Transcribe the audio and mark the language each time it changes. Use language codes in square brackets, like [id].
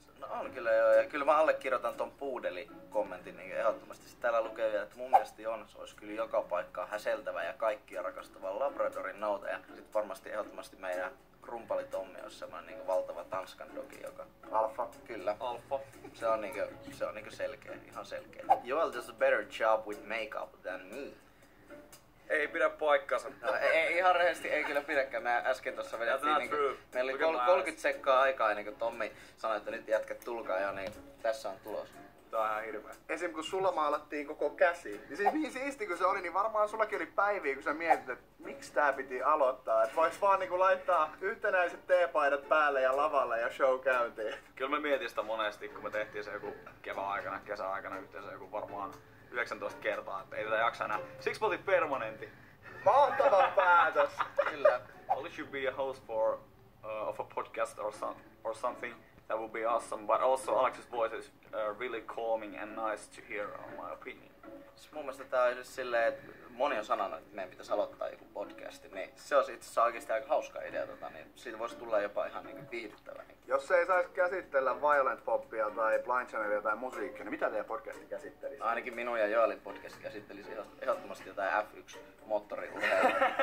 [fi] No on kyllä joo, ja kyllä mä allekirjoitan ton puudeli-kommentin niin ehdottomasti. Sitten täällä lukee vielä, että mun mielestä Joonas ois kyllä joka paikkaa häseltävä ja kaikkia rakastava labradorin noutaja. Sit varmasti ehdottomasti meidän rumpali Tommi on semmoinen niinku valtava tanskan dogi, joka... Alfa. Kyllä. Alfa. Se on niinku selkeä, ihan selkeä. [en] Joel does a better job with makeup than me. [fi] Ei pidä paikkansa. No, ei ihan rehellisesti, ei kyllä pidäkään. Mä äsken tuossa vedettiin niinku... [en] That's not true. [fi] Meillä oli 30 sekkaa aikaa ennen kuin Tommi sanoi, että nyt jätkät tulkaa jo, niin tässä on tulos. Tää on ihan hirveä. Esim. Kun sulla maalattiin koko käsi, niin siis niin siisti kun se oli, niin varmaan sullakin oli päiviä, kun sä mietit, että miksi tää piti aloittaa? Että vois vaan niinku laittaa yhtenäiset teepaidat päälle ja lavalle ja show käyntiin. Kyllä mä mietin sitä monesti, kun me tehtiin se joku kevään aikana, kesäaikana yhteensä joku varmaan 19 kertaa, että ei tätä jaksa enää. Siksi mä otin permanentti. Mahtava päätös! Kyllä. [en] All you should be a host for of a podcast or something. That would be awesome, but also Alex's voice is really calming and nice to hear on my opinion. [fi] Mun mielestä tää on silleen, että moni on sanonut, että meidän pitäisi aloittaa joku podcasti, niin se on itse asiassa oikeasti aika hauska idea, niin siitä voisi tulla jopa ihan niin viihdyttävää. Jos ei saisi käsitellä violent poppia tai Blind Channelia tai musiikkia, niin mitä teidän podcasti käsittelisi? No ainakin minun ja Joelin podcasti käsittelisi ehdottomasti jotain F1-moottoriurheilua.